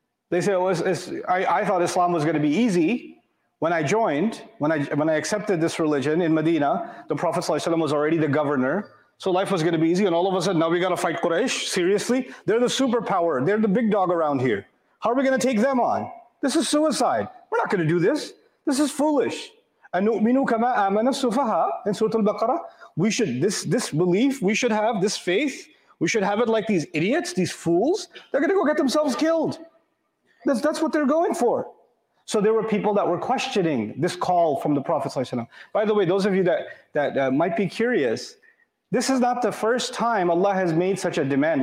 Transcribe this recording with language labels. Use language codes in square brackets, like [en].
[en] They say, oh, I thought Islam was going to be easy. When I joined, when I accepted this religion in Medina, the Prophet ﷺ was already the governor. So life was going to be easy. And all of a sudden, now we got to fight Quraysh. Seriously? They're the superpower. They're the big dog around here. How are we going to take them on? This is suicide. We're not going to do this. This is foolish. [ar] أَنُؤْمِنُ كَمَا آمَنَ السُّفَهَا [en] in Surah Al-Baqarah. We should, this belief, we should have this faith. We should have it like these idiots, these fools. They're going to go get themselves killed. That's what they're going for. So there were people that were questioning this call from the Prophet ﷺ. By the way, those of you that might be curious, this is not the first time Allah has made such a demand.